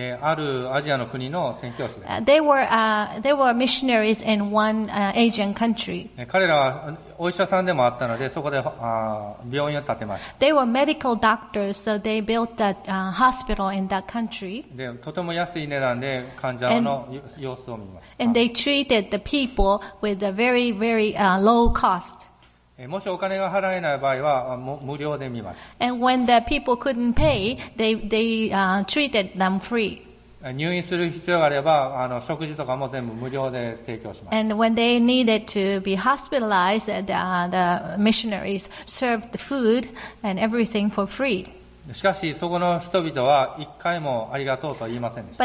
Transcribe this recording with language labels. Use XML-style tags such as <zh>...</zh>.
<ja>あるアジアの国の宣教師です。</ja> <en>They were missionaries in one Asian country.</en> <ja>彼らはお医者さんでもあったので、そこで病院を建てました。</ja> <en>They were medical doctors, so they built a hospital in that country.</en> <ja>で、とても安い値段で患者の様子を見ました。</ja> <en>And they treated the people with a very, very low cost.</en> <ja>もしお金が払えない場合は無料で見ました。</ja> <en>And when the people couldn't pay, they treated them free.</en> <ja>入院する必要があれば食事とかも全部無料で提供します。</ja> <en>And when they needed to be hospitalized, the missionaries served the food and everything for free.</en> <ja>しかしそこの人々は一回もありがとうと言いませんでした。</ja>